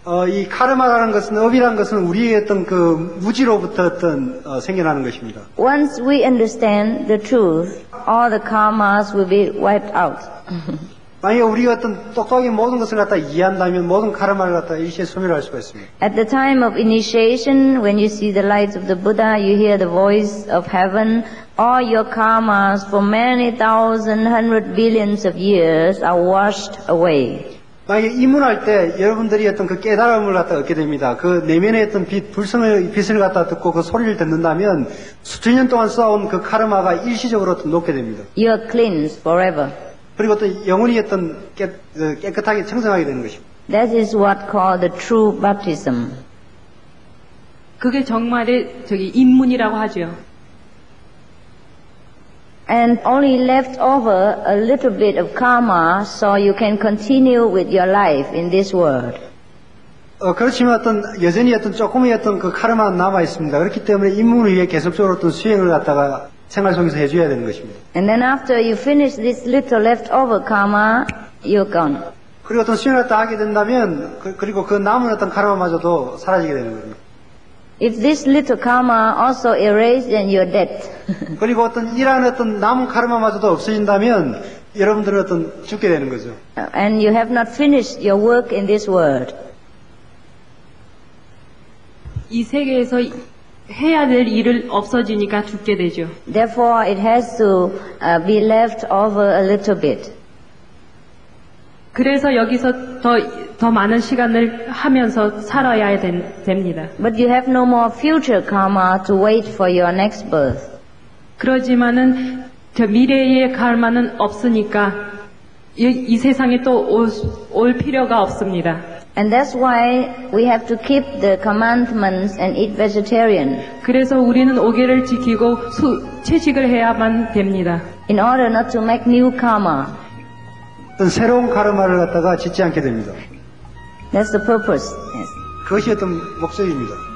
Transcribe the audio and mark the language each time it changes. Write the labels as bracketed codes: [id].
[ko] 이 카르마라는 것은 업이라는 것은 우리의 어떤 그 무지로부터 어떤 생겨나는 것입니다. [en] Once we understand the truth, all the karmas will be wiped out. [ko] 만약 우리가 어떤 똑똑하게 모든 것을 갖다 이해한다면 모든 카르마를 갖다 일시에 소멸할 수가 있습니다. [en] At the time of initiation, when you see the light of the Buddha, you hear the voice of heaven. All your karmas for many thousand, hundred billions of years are washed away. [ko] 만약에 입문할 때 여러분들이 어떤 그 깨달음을 갖다 얻게 됩니다. 그 내면의 어떤 빛, 불성의 빛을 갖다 듣고 그 소리를 듣는다면 수천 년 동안 쌓아온 그 카르마가 일시적으로 어떤 녹게 됩니다. [en] You are cleansed forever. [ko] 그리고 어떤 영혼이 어떤 깨끗하게 청정하게 되는 것입니다. [en] That is what called the true baptism. [ko] 그게 정말의 저기 입문이라고 하죠. [en] And only left over a little bit of karma so you can continue with your life in this world. [ko] 그렇지만 어떤 여전히 어떤 조금의 어떤 그 카르마 남아 있습니다. 그렇기 때문에 입문을 위해 계속적으로 어떤 수행을 갖다가 생활 속에서 해줘야 되는 것입니다. [en] And then after you finish this little left over karma, you're gone. [ko] 그리고 어떤 수행을 갖다 하게 된다면 그리고 그 남은 어떤 카르마마저도 사라지게 되는 겁니다. [en] If this little karma also erased, then you're dead. [ko] 그리고 어떤 이런 어떤 남은 카르마마저도 없어진다면 여러분들은 어떤 죽게 되는 거죠. [en] And you have not finished your work in this world. [ko] 이 세계에서 해야 될 일을 없어지니까 죽게 되죠. [en] Therefore, it has to be left over a little bit. [ko] 그래서 여기서 더 많은 시간을 하면서 살아야 됩니다. [en] But you have no more future karma to wait for your next birth. [ko] 그러지만은 저 미래의 karma는 없으니까 이 세상에 또 올 필요가 없습니다. [en] And that's why we have to keep the commandments and eat vegetarian. [ko] 그래서 우리는 오계를 지키고 채식을 해야만 됩니다. [en] In order not to make new karma. [ko] 어떤 새로운 카르마를 갖다가 짓지 않게 됩니다. [en] That's the purpose. Yes. [ko] 그것이 어떤 목적입니다.